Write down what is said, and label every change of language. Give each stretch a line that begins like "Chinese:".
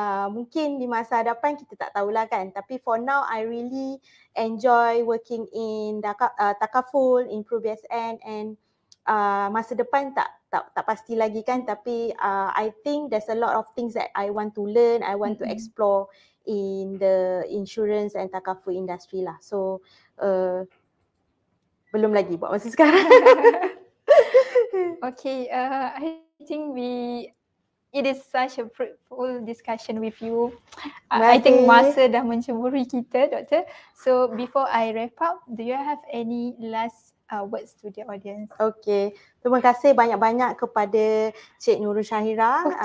Malay: Mungkin di masa hadapan kita tak tahulah kan, tapi
English: for now I really enjoy working in Takaful, in PRUBSN, and
Malay: masa depan tak pasti lagi kan, tapi
English: I think there's a lot of things that I want to learn, I want to explore in the insurance and Takaful industry lah.
Malay: So belum lagi buat masa sekarang.
English: Okay, I think it is such a fruitful discussion with you. I think
Malay: masa dah mencemburi kita, doktor.
English: So before I wrap up, do you have any last words to the audience?
Malay: Okay. Terima kasih banyak-banyak kepada Cik Nurul Shahira.